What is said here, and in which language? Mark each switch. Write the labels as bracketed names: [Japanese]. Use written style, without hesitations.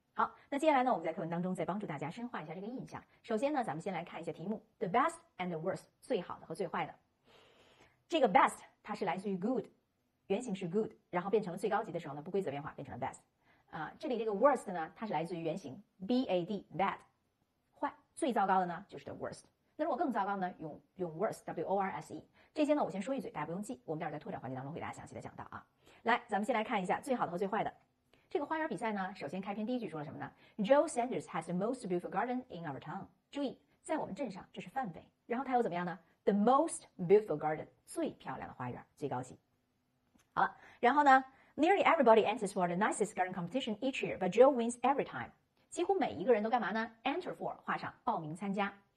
[Chinese] 好，那接下来呢，我们在课文当中再帮助大家深化一下这个印象。首先呢，咱们先来看一下题目 ， [English] the best and the worst， [Chinese] 最好的和最坏的。这个 best 它是来自于 good， 原型是 good， 然后变成了最高级的时候呢，不规则变化变成了 best。啊，这里这个 worst 呢，它是来自于原型 bad， bad， 坏，最糟糕的呢就是 [English] the worst。 [Chinese] 那如果更糟糕呢，用 worse， w o r s e。这些呢，我先说一嘴，大家不用记，我们待会在拓展环节当中给大家详细的讲到啊。来，咱们先来看一下最好的和最坏的。这个花园比赛呢，首先开篇第一句说了什么呢？ [English] Joe Sanders has the most beautiful garden in our town。 [Chinese] 注意在我们镇上，这是范围，然后他又怎么样呢？ [English] the most beautiful garden， [Chinese] 最漂亮的花园，最高级。好了，然后呢， [English] Nearly everybody enters for the nicest garden competition each year， but Joe wins every time。 [Chinese] 几乎每一个人都干嘛呢？ [English] enter for， [Chinese] 画上报名参加。